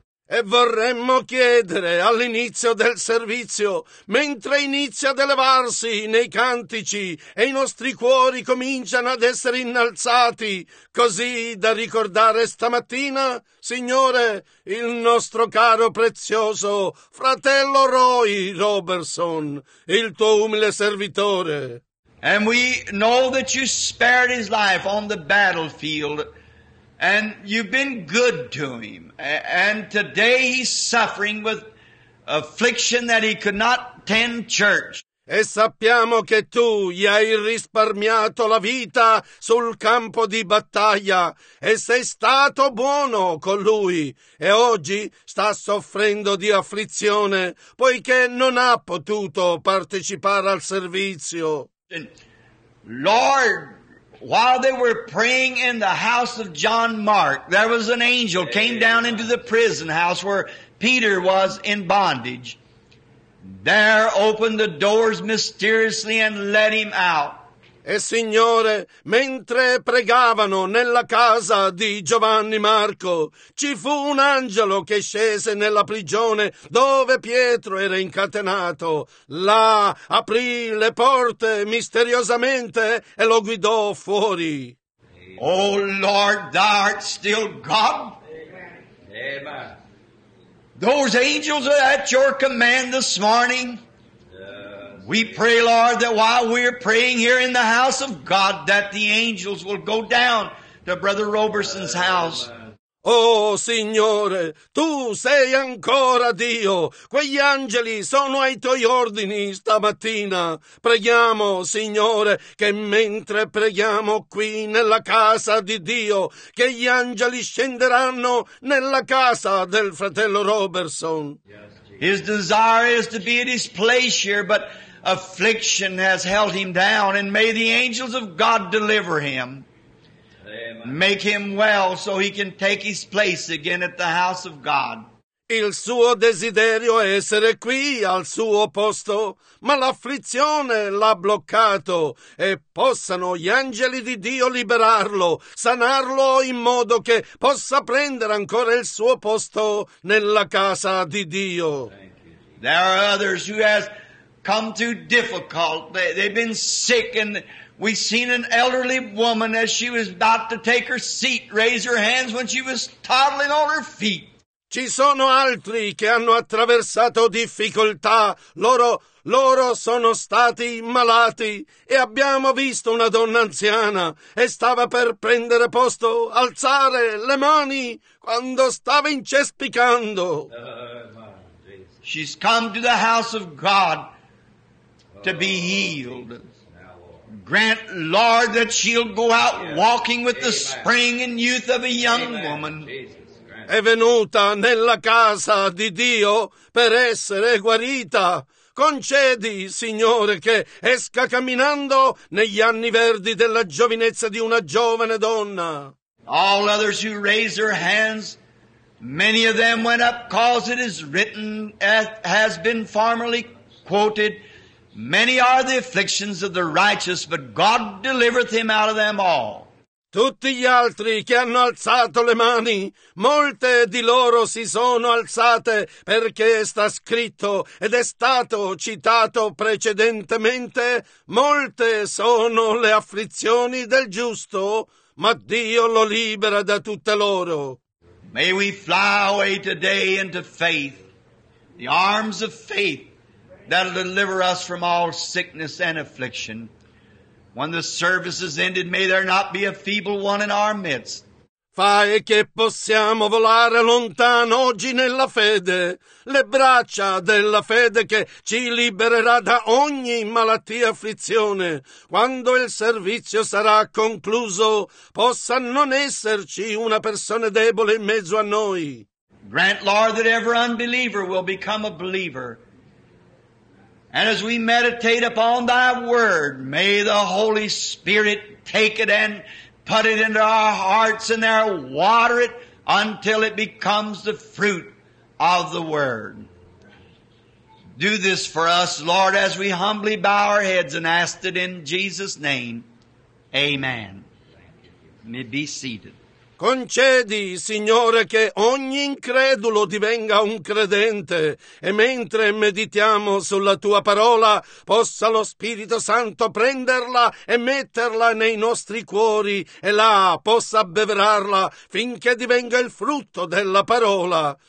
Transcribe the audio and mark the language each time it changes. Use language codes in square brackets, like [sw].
[it] E vorremmo chiedere all'inizio del servizio, mentre inizia ad elevarsi nei cantici e i nostri cuori cominciano ad essere innalzati, così da ricordare stamattina, Signore, il nostro caro prezioso fratello Roy Roberson, il tuo umile servitore. [en] And we know that you spared his life on the battlefield. And you've been good to him. And today he's suffering with affliction that he could not attend church. [it] E sappiamo che tu gli hai risparmiato la vita sul campo di battaglia e sei stato buono con lui. E oggi sta soffrendo di afflizione poiché non ha potuto partecipare al servizio. [en] Lord, while they were praying in the house of John Mark, there was an angel came down into the prison house where Peter was in bondage. There opened the doors mysteriously and let him out. [it] E Signore, mentre pregavano nella casa di Giovanni Marco, ci fu un angelo che scese nella prigione dove Pietro era incatenato. Là aprì le porte misteriosamente e lo guidò fuori. [en] Oh Lord, thou art still God. Amen. Amen. Those angels are at your command this morning. We pray, Lord, that while we're praying here in the house of God, that the angels will go down to Brother Roberson's house. [it] Oh, Signore, Tu sei ancora Dio. Quegli angeli sono ai Tuoi ordini stamattina. Preghiamo, Signore, che mentre preghiamo qui nella casa di Dio, che gli angeli scenderanno nella casa del fratello Roberson. [en] His desire is to be at his place here, but affliction has held him down, and may the angels of God deliver him. Amen. Make him well so he can take his place again at the house of God. [it] Il suo desiderio è essere qui al suo posto, ma l'afflizione l'ha bloccato, e possano gli angeli di Dio liberarlo, sanarlo in modo che possa prendere ancora il suo posto nella casa di Dio. [en] There are others who has come too difficult. They've been sick, and we've seen an elderly woman as she was about to take her seat raise her hands when she was toddling on her feet. [it] Ci sono altri che hanno attraversato difficoltà. Loro sono stati malati, e abbiamo visto una donna anziana e stava per prendere posto, alzare le mani quando stava incespicando. [en] She's come to the house of God to be healed. Grant, Lord, that she'll go out walking with the spring and youth of a young woman. [it] È venuta nella casa di Dio per essere guarita. Concedi, Signore, che esca camminando negli anni verdi della giovinezza di una giovane donna. [en] All others who raise their hands, many of them went up, cause it is written, as has been formerly quoted, many are the afflictions of the righteous, but God delivereth him out of them all. [it] Tutti gli altri che hanno alzato le mani, molte di loro si sono alzate perché sta scritto ed è stato citato precedentemente, molte sono le afflizioni del giusto, ma Dio lo libera da tutte loro. [en] May we fly away today into faith, the arms of faith, that'll deliver us from all sickness and affliction. When the service is ended, may there not be a feeble one in our midst. [it] fa è che possiamo volare lontano oggi nella fede, le braccia della fede che ci libererà da ogni malattia e afflizione. Quando il servizio sarà concluso, possa non esserci una persona debole in mezzo a noi. [en] Grant, Lord, that every unbeliever will become a believer. And as we meditate upon thy word, may the Holy Spirit take it and put it into our hearts and there water it until it becomes the fruit of the word. Do this for us, Lord, as we humbly bow our heads and ask it in Jesus' name. Amen. You may be seated. [it] Concedi, Signore, che ogni incredulo divenga un credente e mentre meditiamo sulla Tua parola possa lo Spirito Santo prenderla e metterla nei nostri cuori e là possa abbeverarla finché divenga il frutto della parola.